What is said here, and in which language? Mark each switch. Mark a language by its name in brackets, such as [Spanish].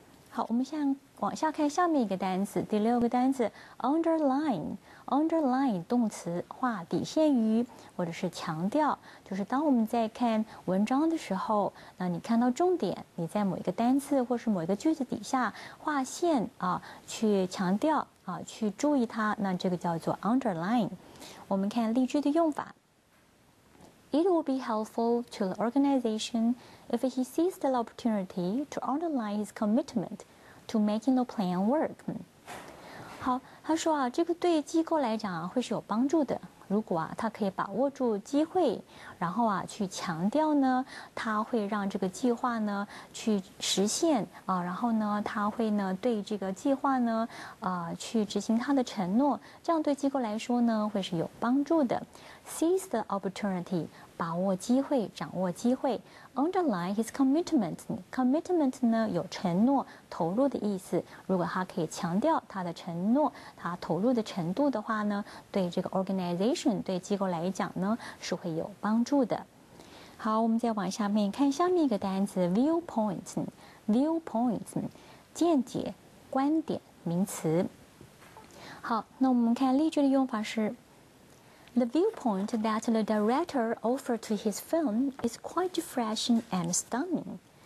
[Chinese] 好，我们先往下看下面一个单词，第六个单词 underline 动词，画底线于或者是强调，就是当我们在看文章的时候，那你看到重点，你在某一个单词或是某一个句子底下画线啊，去强调啊，去注意它，那这个叫做 underline。我们看例句的用法。 [English] It will be helpful to the organization if he sees the opportunity to underline his commitment to making the plan work. [Chinese] 好，他说啊，这个对机构来讲啊会是有帮助的。如果啊他可以把握住机会，然后啊去强调呢，他会让这个计划呢去实现啊，然后呢他会呢对这个计划呢去执行他的承诺，这样对机构来说呢会是有帮助的。 [English] Seize the opportunity， [Chinese] 把握机会，掌握机会。 [English] Underline his commitment [Chinese] 呢有承诺、投入的意思。如果他可以强调他的承诺、他投入的程度的话呢，对这个 organization 对机构来讲呢是会有帮助的。好，我们再往下面看下面一个单词 viewpoint 见解、观点、名词。好，那我们看例句的用法是。 [English] The viewpoint that the director offered to his film is quite fresh and stunning.